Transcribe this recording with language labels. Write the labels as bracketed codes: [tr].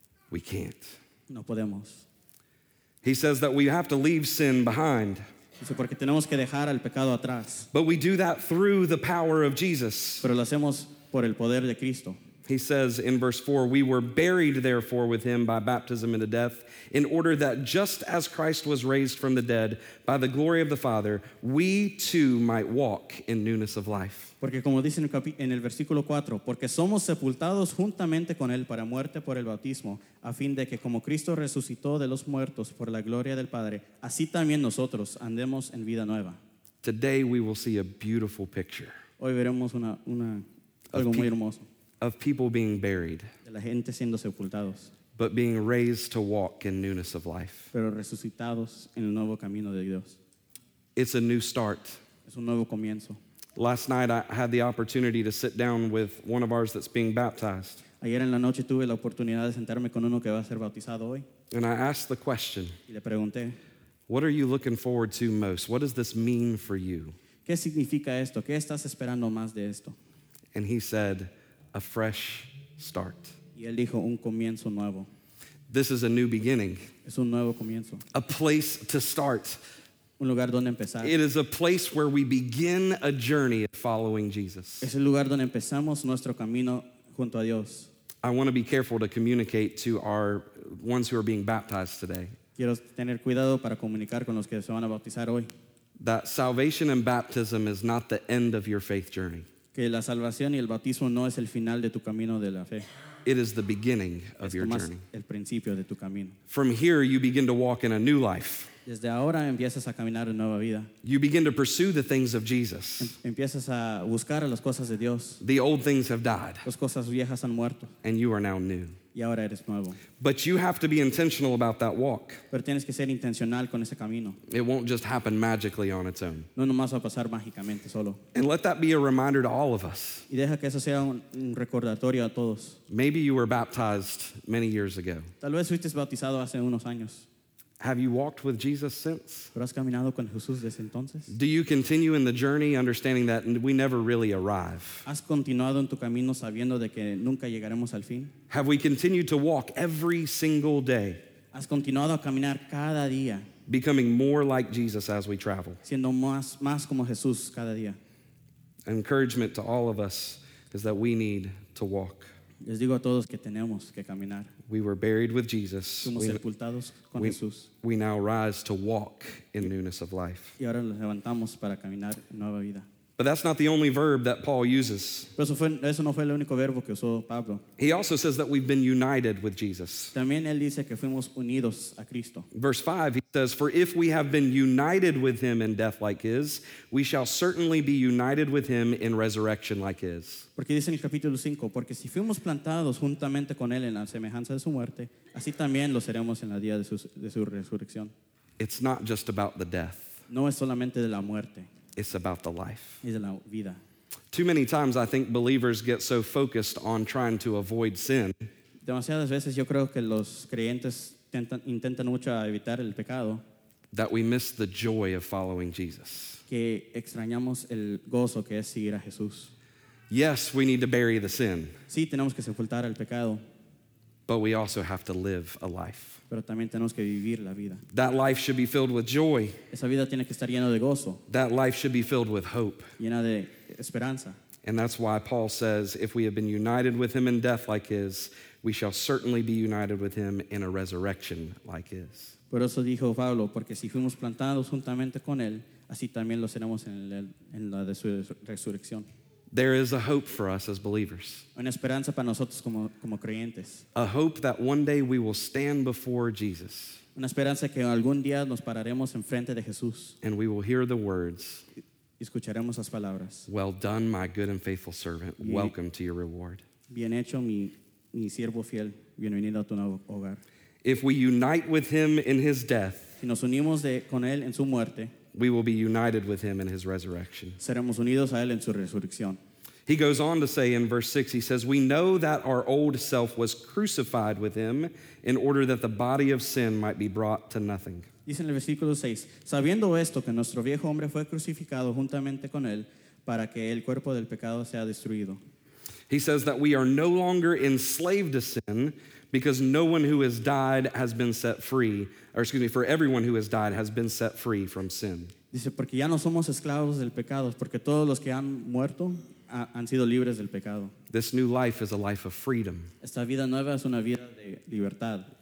[en] We can't. [es] No podemos. [en] He says that we have to leave sin behind. [es] Dice, porque tenemos que dejar al pecado atrás. [en] But we do that through the power of Jesus. [es] Pero lo hacemos por el poder de Cristo. [en] He says in verse 4, we were buried therefore with him by baptism into death, in order that just as Christ was raised from the dead by the glory of the Father, we too might walk in newness of life. [es] Porque como dice en el versículo 4, porque somos sepultados juntamente con él para muerte por el bautismo, a fin de que como Cristo resucitó de los muertos por la gloria del Padre, así también nosotros andemos en vida nueva. [en] Today we will see a beautiful picture. [es] Hoy veremos una algo muy hermoso. [en] Of people being buried, [es] de la gente siendo sepultados, [en] but being raised to walk in newness of life. [es] Pero resucitados en el nuevo camino de Dios. [en] It's a new start. [es] Es un nuevo comienzo. [en] Last night I had the opportunity to sit down with one of ours that's being baptized. [es] Ayer en la noche tuve la oportunidad de sentarme con uno que va a ser bautizado hoy. [en] And I asked the question, [es] y le pregunté, [en] what are you looking forward to most? What does this mean for you? [es] ¿Qué significa esto? ¿Qué estás esperando más de esto? [en] And he said, a fresh start. [es] Y él dijo, un comienzo nuevo. [en] This is a new beginning. [es] Es un nuevo comienzo. [en] A place to start. [es] Un lugar donde empezar. [en] It is a place where we begin a journey following Jesus. [es] Es el lugar donde empezamos nuestro camino junto a Dios. [en] I want to be careful to communicate to our ones who are being baptized today. [es] Quiero tener cuidado para comunicar con los que se van a bautizar hoy. [en] That salvation and baptism is not the end of your faith journey. [es] Que la salvación y el bautismo no es el final de tu camino de la fe. [en] It is the beginning of your journey. [es] El principio de tu camino. [en] From here, you begin to walk in a new life. [es] Desde ahora empiezas a caminar en nueva vida. [en] You begin to pursue the things of Jesus. [es] Empiezas a buscar las cosas de Dios. [en] The old things have died. [es] Las cosas viejas han muerto. [en] And you are now new. [es] Y ahora eres nuevo. [en] But you have to be intentional about that walk. [es] Pero tienes que ser intencional con ese camino. [en] It won't just happen magically on its own. [es] No nomás va a pasar mágicamente solo. [en] And let that be a reminder to all of us. [es] Y deja que eso sea un recordatorio a todos. [en] Maybe you were baptized many years ago. [es] Tal vez fuiste bautizado hace unos años. [en] Have you walked with Jesus since? [es] ¿Pero has caminado con Jesús desde entonces? [en] Do you continue in the journey understanding that we never really arrive? [es] ¿Has continuado en tu camino sabiendo de que nunca llegaremos al fin? [en] Have we continued to walk every single day? [es] ¿Has continuado a caminar cada día? [en] Becoming more like Jesus as we travel. [es] Siendo más como Jesús cada día. [en] Encouragement to all of us is that we need to walk. [es] Les digo a todos que tenemos que caminar. [en] We were buried with Jesus. [es] Fuimos sepultados con Jesús. [en] We now rise to walk in newness of life. [es] Y ahora nos levantamos para caminar nueva vida. [en] But that's not the only verb that Paul uses. [es] Eso no fue el único verbo que usó Pablo. [en] He also says that we've been united with Jesus. [es] También él dice que fuimos unidos a Cristo. [en] Verse 5, he says, "For if we have been united with him in death like his, we shall certainly be united with him in resurrection like his." [es] Porque dice en el capítulo 5, porque si fuimos plantados juntamente con él en la semejanza de su muerte, así también lo seremos en la día de su resurrección. [en] It's not just about the death. [es] No es solamente de la muerte. [en] It's about the life. [es] Es la vida. [en] Too many times I think believers get so focused on trying to avoid sin. [es] Demasiadas veces yo creo que los creyentes intentan mucho evitar el pecado. [en] That we miss the joy of following Jesus. [es] Que extrañamos el gozo que es seguir a Jesús. [en] Yes, we need to bury the sin. [es] Sí, tenemos que sepultar el pecado. [en] But we also have to live a life. [es] Pero también tenemos que vivir la vida. [en] That life should be filled with joy. [es] Esa vida tiene que estar llena de gozo. [en] That life should be filled with hope. [es] Llena de esperanza. [en] And that's why Paul says, if we have been united with him in death like his, we shall certainly be united with him in a resurrection like his. [es] Por eso dijo Pablo, porque si fuimos plantados juntamente con él, así también lo seremos en la de su resurrección. [en] There is a hope for us as believers. [es] Una esperanza para nosotros como creyentes. [en] A hope that one day we will stand before Jesus. [es] Una esperanza que algún día nos pararemos enfrente de Jesús. [en] And we will hear the words. [es] Y escucharemos las palabras. [en] Well done, my good and faithful servant. Welcome to your reward. [es] Bien hecho, mi siervo fiel. Bienvenido a tu nuevo hogar. [en] If we unite with him in his death. [es] Si nos unimos con él en su muerte. [en] We will be united with him in his resurrection. [es] Seremos unidos a él en su resurrección. [en] He goes on to say in verse 6, he says, "We know that our old self was crucified with him in order that the body of sin might be brought to nothing." [es] Dice en el versículo 6, "Sabiendo esto, que nuestro viejo hombre fue crucificado juntamente con él para que el cuerpo del pecado sea destruido." [en] He says that we are no longer enslaved to sin because no one who has died has been set free, or excuse me, for everyone who has died has been set free from sin. [es] Dice, porque ya no somos esclavos del pecado, porque todos los que han muerto han sido libres del pecado. [en] This new life is a life of freedom. [es] Esta vida nueva es una vida de libertad.